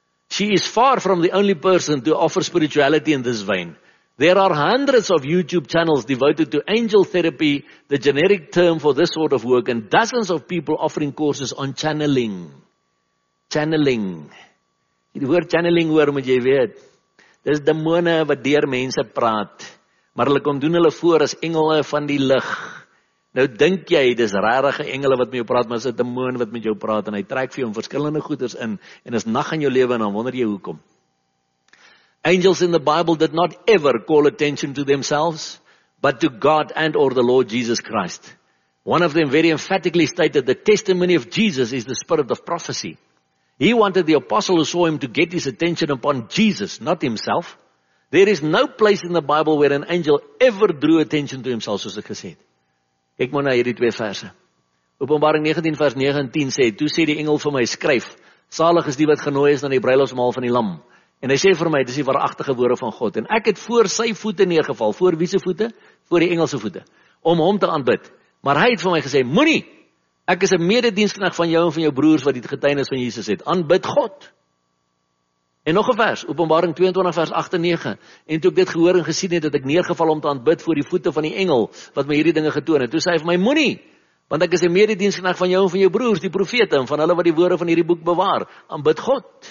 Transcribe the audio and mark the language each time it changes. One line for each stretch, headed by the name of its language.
English: She is far from the only person to offer spirituality in this vein. There are hundreds of YouTube channels devoted to angel therapy, the generic term for this sort of work, and dozens of people offering courses on channeling. Channeling.
Afrikaans: Jy hoor channeling, hoor, moet jy weet. Dis demone wat deur mense praat, maar hulle kom doen hulle voor as engele van die lig. Nou dink jy, dis rarige engele wat met jou praat, maar dis 'n demoon wat met jou praat, en hy trek vir jou verskillende goeders in, en is nag in jou lewe, en dan wonder jy hoekom.
English: Angels in the Bible did not ever call attention to themselves, but to God and or the Lord Jesus Christ. One of them very emphatically stated, the testimony of Jesus is the spirit of prophecy. He wanted the apostle who saw him to get his attention upon Jesus, not himself. There is no place in the Bible where an angel ever drew attention to himself,
Afrikaans: soos ek gesê het. Ek moet nou hierdie twee verse. Openbaring 19 vers 19 sê, toe sê die engel vir my, skryf, salig is die wat genooi is na die bruilofsmaal van die lam. En hy sê vir my, dit is die waaragtige woorde van God. En ek het voor sy voete neergeval, voor wie se voete? Voor die engelse voete, om hom te aanbid. Maar hy het vir my gesê, moenie, ek is 'n mededienstknag van jou en van jou broers wat die getuienis van Jesus het. Aanbid God. En nog 'n vers, Openbaring 22 vers 8 en 9. En toe ek dit gehoor en gesien het, het ek neergeval om te aanbid voor die voete van die engel wat my hierdie dinge getoon het. Toe sê hy vir my, moenie, want ek is 'n mededienstknag van jou en van jou broers, die profete en van hulle wat die woorde van hierdie boek bewaar. Aanbid God.